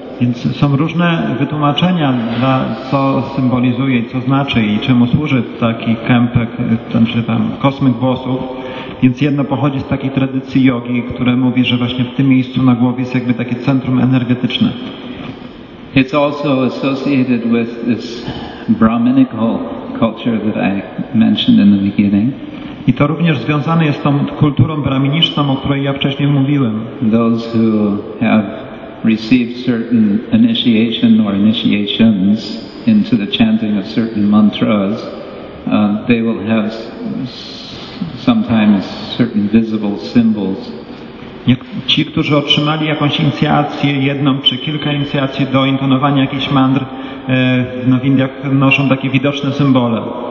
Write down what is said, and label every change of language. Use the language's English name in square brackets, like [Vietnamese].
[Polish] Więc są różne wytłumaczenia na co symbolizuje i co znaczy i czemu służy taki kępek, znaczy tam kosmyk włosów. Więc jedno pochodzi z takiej tradycji jogi, która mówi, że właśnie w tym miejscu na głowie jest jakby takie centrum energetyczne. [English] It's also associated with this Brahminical culture that I mentioned in the beginning. [Polish] I to również związane jest z tą kulturą brahminiczną, o której ja wcześniej mówiłem. [English] Those who have received certain initiation or initiations into the chanting of certain mantras, they will have sometimes certain visible symbols. [Polish] Ci, którzy otrzymali jakąś inicjację, jedną czy kilka inicjacji do intonowania jakichś mantr, no w Indiach noszą takie widoczne symbole.